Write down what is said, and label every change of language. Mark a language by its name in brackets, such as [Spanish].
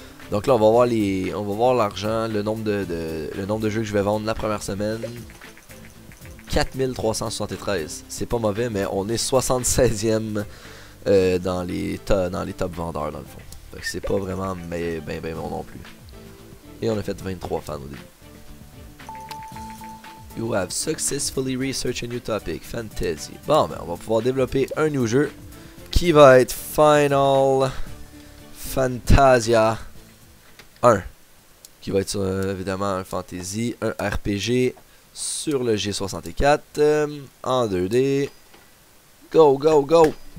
[French] Donc là, on va voir l'argent, le nombre de jeux que je vais vendre la première semaine. 4373. C'est pas mauvais, mais on est 76e dans les top vendeurs, dans le fond. Fait que c'est pas vraiment ben bon non plus. Et on a fait 23 fans au début. [English] You have successfully researched a new topic, fantasy. [French] Bon, ben, on va pouvoir développer un nouveau jeu qui va être Final Fantasia 1. Qui va être évidemment un fantasy, un RPG sur le G64 en 2D. Go, go, go!